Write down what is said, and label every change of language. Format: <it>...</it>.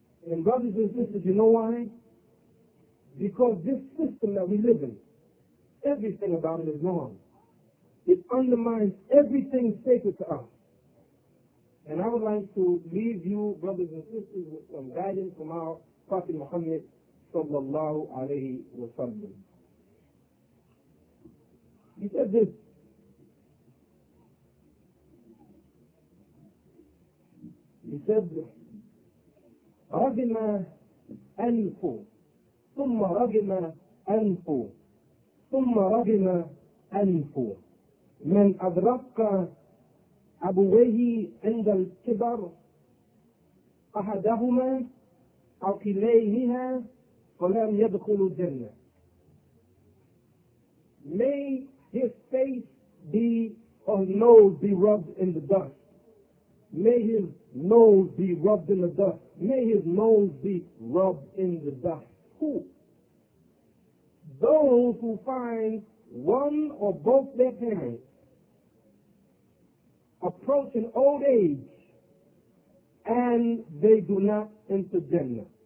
<en>And brothers and sisters, you know why? Because this system that we live in, everything about it is wrong. It undermines everything sacred to us. And I would like to leave you, brothers and sisters, with some guidance from our Prophet Muhammad sallallahu alayhi wa sallam. He said this,</en> <ar>رغم أنف ثم رغم أنف ثم رغم أنف من أدرك أبويه عند الكبر أحدهما أو كليهما فلم يدخل الجنة.</ar> <en>May his face be or nose be rubbed in the dust. May his nose be rubbed in the dust. May his nose be rubbed in the dust. Who? Those who find one or both their parents approaching old age and they do not enter Jannah.</en>